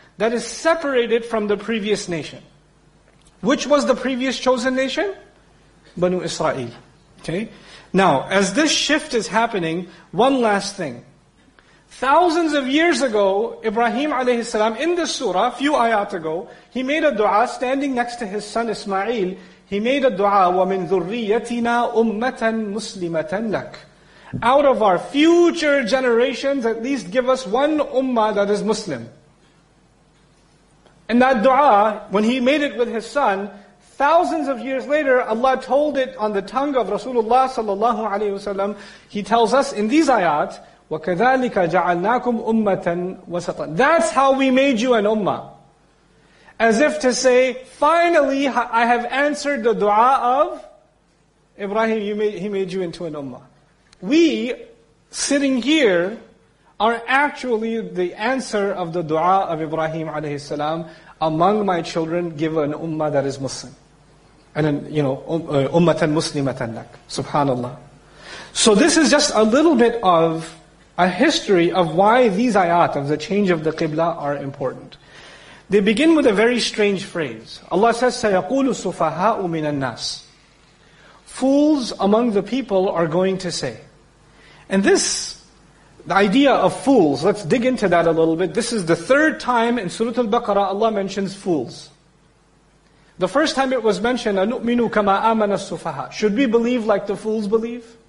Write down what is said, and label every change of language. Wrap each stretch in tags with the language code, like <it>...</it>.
<en>That is separated from the previous nation. Which was the previous chosen nation? Banu Israel. Okay? Now, as this shift is happening, one last thing. Thousands of years ago, Ibrahim alayhi salam, in this surah, a few ayat ago, he made a dua standing next to his son Ismail. He made a dua,</en> <ar>وَمِن ذُرِّيَّتِنَا أُمَّةً مُسْلِمَةً لَكَ.</ar> <en>Out of our future generations, at least give us one ummah that is Muslim. And that dua, when he made it with his son, thousands of years later, Allah told it on the tongue of Rasulullah sallallahu alayhi wasallam. He tells us in these ayat,</en> <ar>وَكَذَلِكَ جَعَلْنَاكُمْ أُمَّةً وَسَطًا.</ar> <en>That's how we made you an ummah. As if to say, finally, I have answered the dua of Ibrahim, he made you into an ummah. We, sitting here, are actually the answer of the dua of Ibrahim alayhi salam. Among my children, give an ummah that is Muslim. And then, you know,</en> <ar>ummatan muslimatan lak.</ar> <en>Subhanallah. So this is just a little bit of a history of why these ayat of the change of the qibla are important. They begin with a very strange phrase. Allah says,</en> <ar>سَيَقُولُ سُفَهَاءُ مِنَ النَّاسِ.</ar> <en>Fools among the people are going to say. And this, the idea of fools, let's dig into that a little bit. This is the third time in Surah Al Baqarah Allah mentions fools. The first time it was mentioned,</en> <ar>أَنُؤْمِنُوا كَمَا آمَنَ السُّفَهَاءُ.</ar> <en>Should we believe like the fools believe?</en>